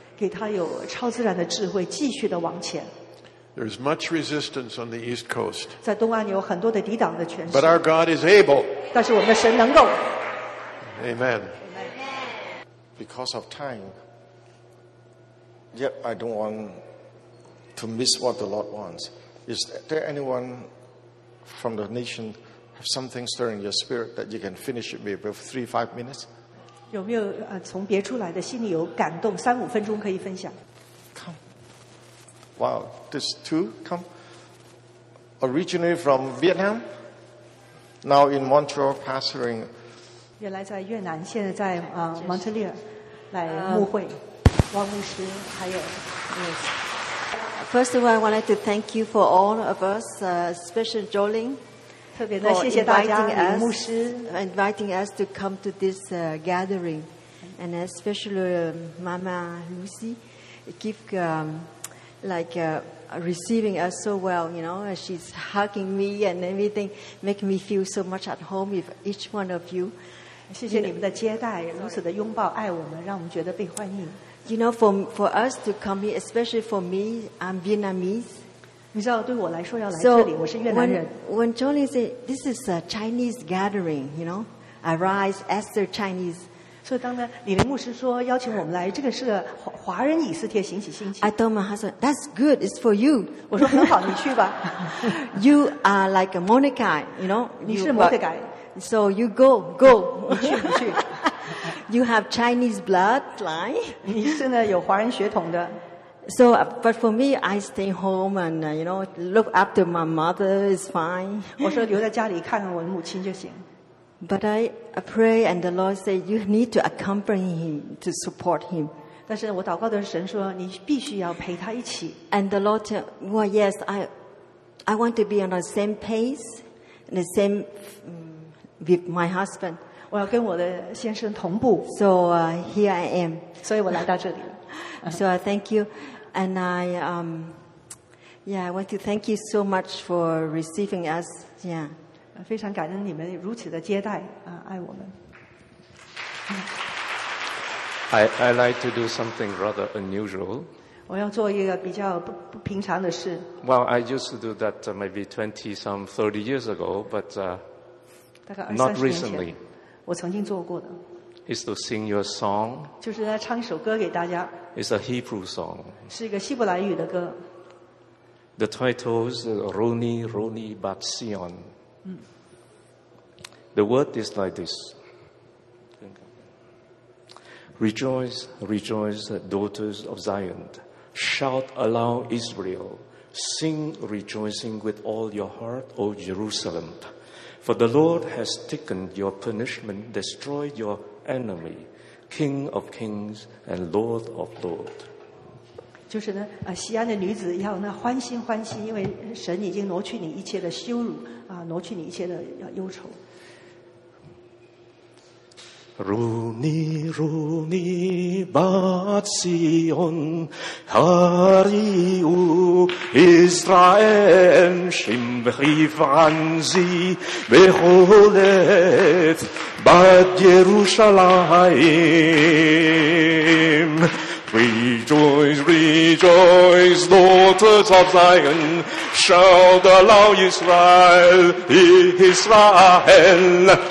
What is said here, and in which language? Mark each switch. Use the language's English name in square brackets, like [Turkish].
[Chinese] 给他有超自然的智慧继续的往前。 [English] There's much resistance on the East Coast. [Chinese] 在东岸有很多的抵挡的权势。 [English] But our God is able. [Chinese] 但是我们的神能够。 [English] Amen. Because of time. Yep, I don't want... To miss what the Lord wants. Is there anyone from the nation have something stirring your spirit that you can finish it maybe for 3-5 minutes? [Chinese] 有没有从别处来的心里有感动三五分钟可以分享 [English] Come. Wow, this too, come. Originally from Vietnam, now in Montreal, pastoring. [Chinese] 原来在越南，现在在蒙特利尔来牧会，王牧师还有。 [English] Yes. First of all, I wanted to thank you for all of us, especially Jolene, for inviting us to come to this gathering. And especially Mama Lucy, receiving us so well, you know, she's hugging me and everything, making me feel so much at home with each one of you. [Chinese] 谢谢你们的接待，如此的拥抱爱我们，让我们觉得被欢迎。 [English] You know, for us to come here, especially for me, I'm Vietnamese. [Chinese] 你知道，对我来说要来这里，我是越南人。 [English] When Jolene said, "This is a Chinese gathering," you know, I rise as the Chinese. [Chinese] 所以当呢，李林牧师说邀请我们来，这个是个华人以色列兴起兴起。 [English] I told my husband, "That's good. It's for you." [Chinese] 我说很好，你去吧。 [English] You are like a Monica, you know. [Chinese] 你是 Monica. [English] So you go, go. [Chinese] 你去，你去。 [English] You have Chinese bloodline. [Chinese] 你是呢有华人血统的。 [English] So, but for me, I stay home and you know look after my mother is fine. [Chinese] 我说留在家里看我母亲就行。 [English] But I pray and the Lord say you need to accompany him to support him. [Chinese] 但是我祷告的神说你必须要陪他一起。 [English] And the Lord said, well, yes, I want to be on the same pace, the same with my husband. [Chinese] 我要跟我的先生同步 [English] So here I am [Chinese] 所以我来到这里 [English] So thank you And I want to thank you so much for receiving us Yeah [Chinese] 非常感恩你们如此的接待爱我们 [English] I like to do something rather unusual [Chinese] 我要做一个比较 不平常的事。 [English] Well, I used to do that maybe 20 some 30 years ago, but not recently. [Chinese] 我曾经做过的。 [English] Is to sing your song. [Chinese] 就是来唱一首歌给大家。 [English] It's a Hebrew song. [Chinese] 是一个希伯来语的歌。 [English] The title is Roni Roni Bat Sion. The word is like this. Rejoice, rejoice, daughters of Zion. Shout aloud, Israel. Sing rejoicing with all your heart, O Jerusalem. For the Lord has taken your punishment, destroyed your enemy, King of kings and Lord of lords. [Chinese] 就是呢，西安的女子要那欢欣欢欣，因为神已经挪去你一切的羞辱啊，挪去你一切的忧愁。如你如你巴西恩哈里乌以色列心被繁荣被忽略巴耶路撒冷 [English] Rejoice, rejoice, daughters of Zion, shout aloud Israel, Israel.